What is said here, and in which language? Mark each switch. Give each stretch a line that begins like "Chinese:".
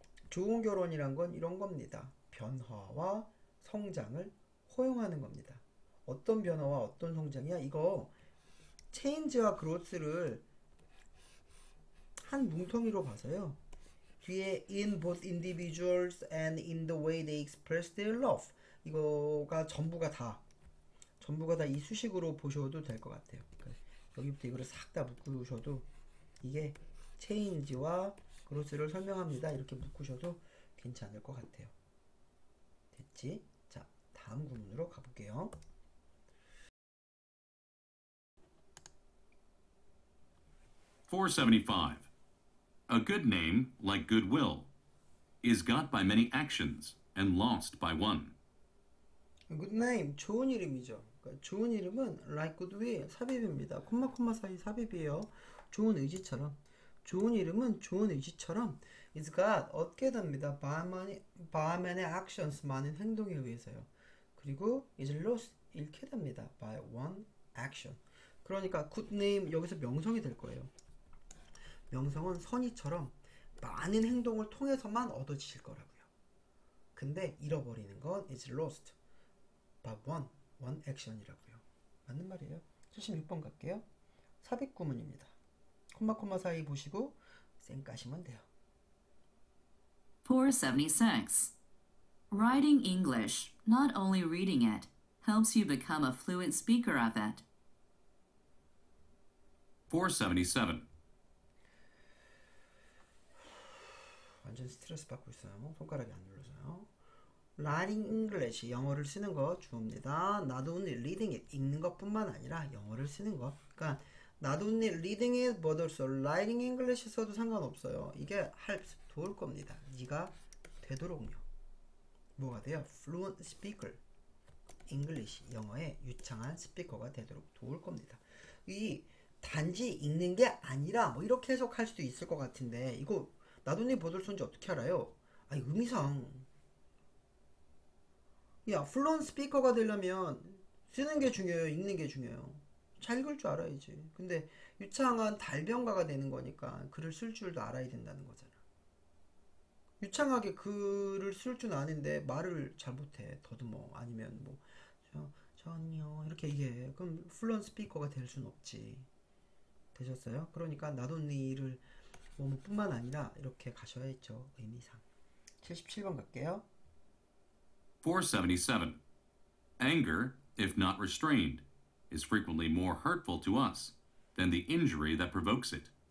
Korean: 좋은 결혼이란 건 이런 겁니다. 변화와 성장을 허용하는 겁니다. 어떤 변화와 어떤 성장이야? 이거 체인지와 그로스를 한 뭉텅이로 봐서요.
English: 뒤에 in both individuals and in the way they express their love
Korean: 이거가 전부가 다이 수식으로 보셔도 될것 같아요. 여기부터 이거를 싹다 묶으셔도 이게 체인지와 그로스를 설명합니다. 이렇게 묶으셔도 괜찮을 것 같아요. 됐지? 자, 다음 구문으로 가볼게요.
English: Four 75. A good name, like goodwill, is got by many actions and lost by one.
Korean: Good name, 좋은 이름이죠. 좋은 이름은
English: like goodwill,
Korean: 삽입입니다. 콤마 콤마 사이 삽입이에요. 좋은 의지처럼. 좋은 이름은 좋은 의지처럼 is got 얻게 됩니다. By many actions 많은 행동에 의해서요. 그리고 is lost 잃게 됩니다.
English: By one action.
Korean: 그러니까 good name 여기서 명성이 될 거예요. 명성은 선이처럼 많은 행동을 통해서만 얻어지실 거라고요. 근데 잃어버리는 건
English: is lost by one action이라고요.
Korean: 맞는 말이에요. 76번 갈게요. 삽입 구문입니다. 콤마 콤마 사이 보시고 쌩 까시면 돼요. 476.
English: Writing English, not only reading it, helps you become a fluent speaker of it.
Korean: 477. 완전 스트레스 받고 있어요. 손가락이 안 눌러져요. Learning English, 영어를 쓰는 거 좋습니다.
English: Not only reading it,
Korean: 읽는 것뿐만 아니라 영어를 쓰는 거.
English: 그러니까 Not only reading it, but also writing English
Korean: 써도 상관없어요. 이게 helps, 도울 겁니다. 네가 되도록요. 뭐가 돼요? Fluent speaker. English, 영어의 유창한 스피커가 되도록 도울 겁니다. 이 단지 읽는 게 아니라 뭐 이렇게 해석할 수도 있을 것 같은데 이거 Not only but also인지 어떻게 알아요? 아, 의미상. 야, fluent speaker가 되려면 쓰는 게 중요해요, 읽는 게 중요해요. 잘 읽을 줄 알아야지. 근데 유창한 달변가가 되는 거니까 글을 쓸 줄도 알아야 된다는 거잖아. 유창하게 글을 쓸줄 아는데 말을 잘 못해. 더듬어. 아니면 뭐 전혀 이렇게 얘기해. 그럼 fluent speaker가 될순 없지. 되셨어요? 그러니까 not only를 뿐만 아니라 이렇게 가셔야 했죠. 의미상. 77번 갈게요. 477.
English: Anger, if not restrained, is frequently more hurtful to us than the injury that provokes it.